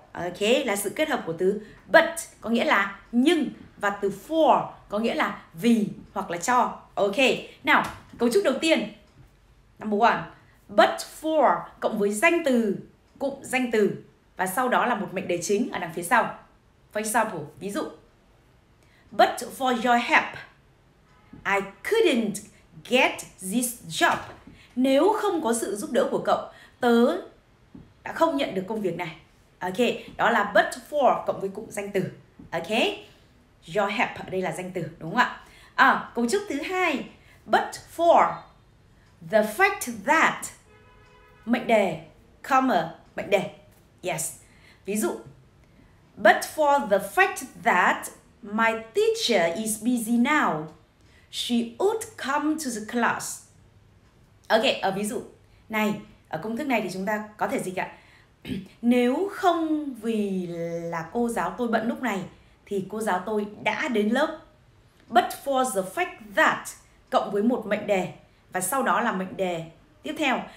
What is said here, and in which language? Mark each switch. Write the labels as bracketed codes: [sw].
[vi] Ok, là sự kết hợp của từ but có nghĩa là nhưng và từ for có nghĩa là vì hoặc là cho. Ok, nào, cấu trúc đầu tiên. [en] Number one, [vi] but for cộng với danh từ, cụm danh từ. Và sau đó là một mệnh đề chính ở đằng phía sau. [en] For example, [vi] ví dụ, [en] but for your help I couldn't get this job. [vi] Nếu không có sự giúp đỡ của cậu, tớ đã không nhận được công việc này. Ok, đó là but for cộng với cụm danh từ. Ok, your help ở đây là danh từ, đúng không ạ? À, cấu trúc thứ hai, but for the fact that, mệnh đề, comma, mệnh đề. [en] Yes, [vi] ví dụ, [en] but for the fact that my teacher is busy now, she would come to the class. [vi] Ok, ở ví dụ này, ở công thức này thì chúng ta có thể dịch ạ. Nếu không vì là cô giáo tôi bận lúc này thì cô giáo tôi đã đến lớp. But for the fact that cộng với một mệnh đề và sau đó là mệnh đề tiếp theo.